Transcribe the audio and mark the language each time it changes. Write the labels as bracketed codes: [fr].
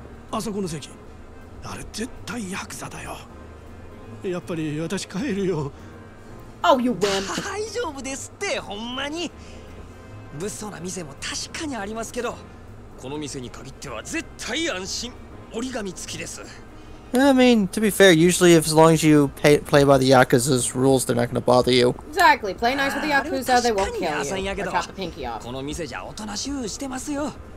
[ja] あそこの席。あれ絶対ヤクザだよ。やっぱり私帰るよ。 [en] Oh, you won! [ja] 大丈夫ですって、ほんまに。物騒な店も確かにありますけど。この店に限っては絶対安心。折り紙付きです。 [en] Yeah, I mean, to be fair, usually if as long as you play by the Yakuza's rules, they're not going to bother you. Exactly. Play nice with the Yakuza, they won't kill you. Or chop the pinky off. [ja] この店じゃおとなしゅうしてますよ。